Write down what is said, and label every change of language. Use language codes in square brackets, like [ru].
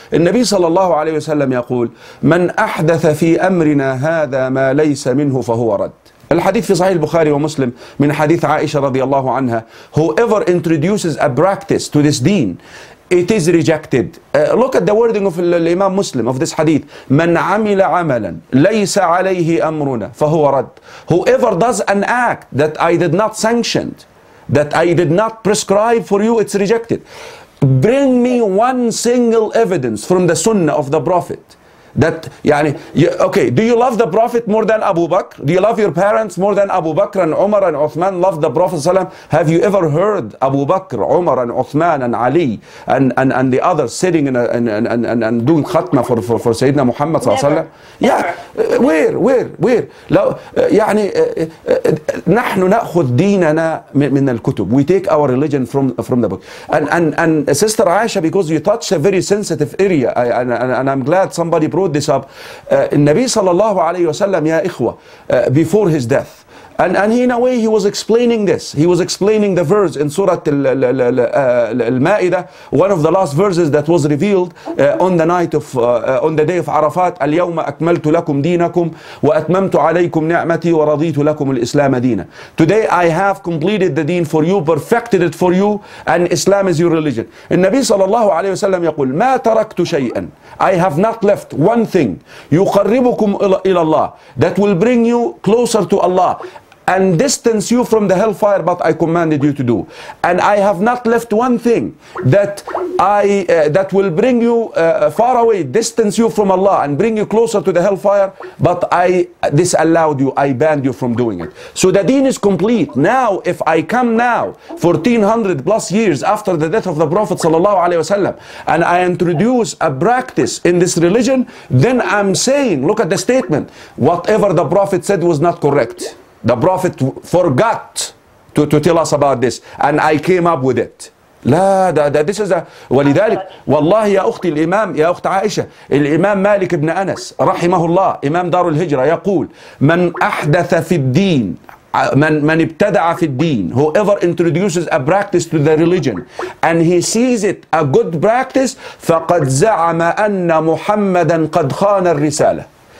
[ar] النبي صلى الله عليه وسلم يقول, من أحدث في أمرنا هذا ما ليس منه فهو رد. الحديث في صحيح البخاري ومسلم من حديث عائشة رضي الله عنها, [en] whoever introduces a practice to this deen, it is rejected. Look at the wording of الإمام مسلم of this hadith. [ar] من عمل عملا ليس عليه أمرنا فهو رد. [en] Whoever does an act that I did not sanction, that I did not prescribe for you, it's rejected. Bring me one single evidence from the sunnah of the Prophet. That, يعني, okay, do you love the Prophet more than Abu Bakr? Do you love your parents more than Abu Bakr and Umar and Uthman loved the Prophet Sallallahu Alaihi Wasallam? Have you ever heard Abu Bakr, Umar and Uthman and Ali and the others sitting and doing khatma for Sayyidina Muhammad Sallallahu Alaihi Wasallam? Yeah, where? [ar] يعني, نحن نأخذ ديننا من الكتب. [en] We take our religion from the book. And Sister Aisha, because you touched a very sensitive area, and I'm glad somebody brought brought this up. Nabi sallallahu alayhi wa sallam, ya ikhwa, before his death. And he, in a way, he was explaining this. He was explaining the verse in Surah Al-Ma'idah, one of the last verses that was revealed on the day of Arafat. [ar] اليوم أكملت لكم دينكم وأتممت عليكم نعمتي ورضيت لكم الإسلام دينا. [en] Today I have completed the deen for you, perfected it for you, and Islam is your religion. [ar] النبي صلى الله عليه وسلم يقول ما تركت شيئا. [en] I have not left one thing. [ar] يقربكم إلى الله. [en] That will bring you closer to Allah. And distance you from the hellfire, but I commanded you to do. And I have not left one thing that will bring you far away, distance you from Allah, and bring you closer to the hellfire, but I disallowed you, I banned you from doing it. So the deen is complete. Now, if I come now, 1400 plus years after the death of the Prophet sallallahu alaihi wasallam, and I introduce a practice in this religion, then I'm saying, look at the statement, whatever the Prophet said was not correct. The Prophet forgot to tell us about this, and I came up with it. [ar] لا, [en] this is a [ar] ولذلك والله يا أختي الإمام يا أخت عائشة الإمام مالك بن أنس رحمه الله إمام دار الهجرة يقول من أحدث في الدين من ابتدع في الدين [en] whoever introduces a practice to the religion and he sees it a good practice [ar] فقد زعم أن محمدا قد خان الرسالة.